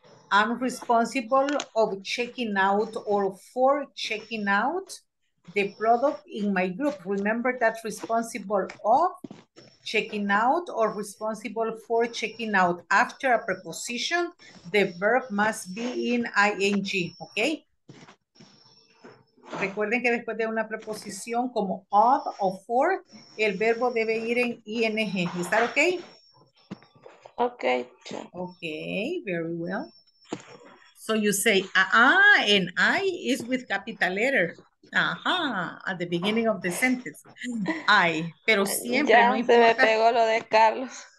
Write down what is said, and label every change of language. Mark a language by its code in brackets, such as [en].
[en] I'm responsible of checking out or for checking out the product in my group. Remember that responsible of checking out or responsible for checking out. After a preposition, the verb must be in ing, okay? [es] Recuerden que después de una preposición como of o for, el verbo debe ir en ing. [en] Is that okay? Okay. Okay, very well. So you say, ah, and I is with capital letter. Ajá, at the beginning of the sentence. I, [es] pero siempre, ya, no importa. Se me pegó lo de Carlos.